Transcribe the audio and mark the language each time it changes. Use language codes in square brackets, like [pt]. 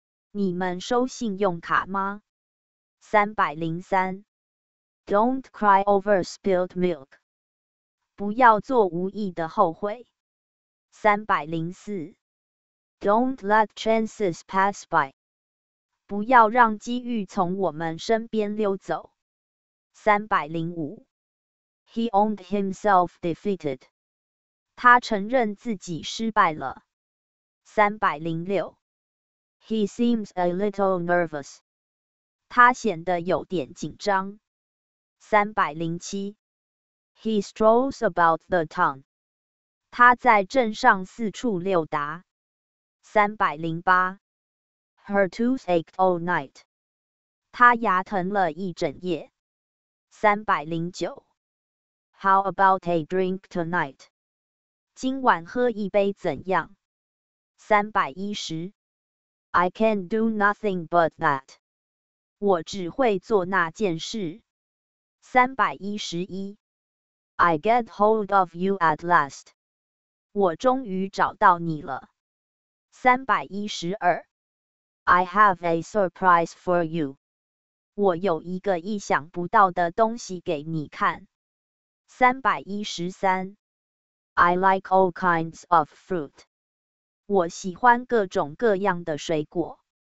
[zh] 你们收信用卡吗？303. [en] Don't cry over spilled milk. [zh] 不要做无意的后悔。304. [en] Don't let chances pass by. [zh] 不要让机遇从我们身边溜走。 305. [en] He owned himself defeated. [zh] 他承认自己失败了。306. [en] He seems a little nervous. [zh] 他显得有点紧张。307. [en] He strolls about the town. [zh] 他在镇上四处溜达。308. [en] Her tooth ached all night. [zh] 她牙疼了一整夜。309. [en] How about a drink tonight? [zh] 今晚喝一杯怎样？310. [en] I can do nothing but that. [zh] 我只会做那件事。311. [en] I get hold of you at last. [zh] 我终于找到你了。312. [en] I have a surprise for you. [zh] 我有一个意想不到的东西给你看。 313 [en] I like all kinds of fruit. [zh] 我喜欢各种各样的水果。